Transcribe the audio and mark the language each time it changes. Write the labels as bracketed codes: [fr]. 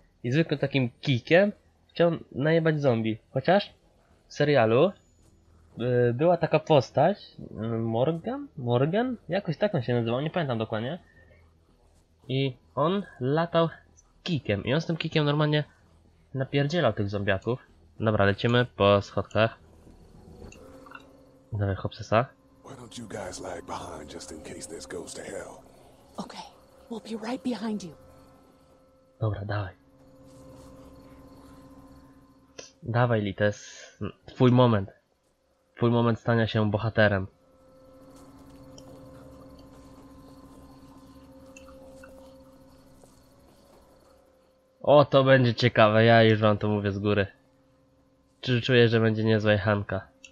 [pl] I zwykłym takim kijkiem chciał najebać zombie. Chociaż w serialu była taka postać, Morgan? Jakoś tak on się nazywał, nie pamiętam dokładnie. I on latał z kijkiem. I on z tym kijkiem normalnie napierdzielał tych zombiaków. Dobra, lecimy po schodkach. Dawaj, hopsesa. [en] Why don't you guys lag behind just in case this goes to hell? Okay, we'll be right behind you. [pl] Dobra, dawaj. Dawaj, Lee, to jest twój moment. Twój moment stania się bohaterem. O, to będzie ciekawe, ja już wam to mówię z góry. Czy czuję, że będzie niezła jechanka?